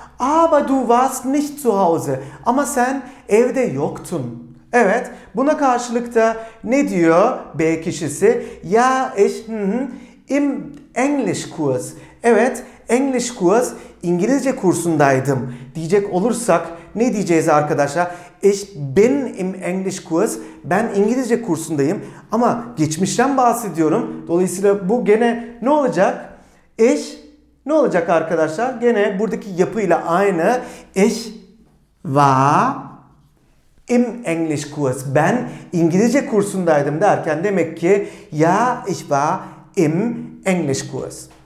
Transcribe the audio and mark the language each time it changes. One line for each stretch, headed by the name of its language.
German: Aber du warst nicht zu Hause.
Turkish: Ama sen evde yoktun. Evet, buna karşılık da ne diyor B kişisi?
German: Ja, ich im Englischkurs.
Turkish: Evet, Englischkurs, İngilizce kursundaydım diyecek olursak ne diyeceğiz arkadaşlar?
German: Ich bin im Englischkurs.
Turkish: Ben İngilizce kursundayım. Ama geçmişten bahsediyorum. Dolayısıyla bu gene ne olacak? Ich ne olacak arkadaşlar? Gene buradaki yapıyla aynı.
German: Ich war im English Kurs.
Turkish: Ben İngilizce kursundaydım derken demek ki ya
German: ich war im English Kurs.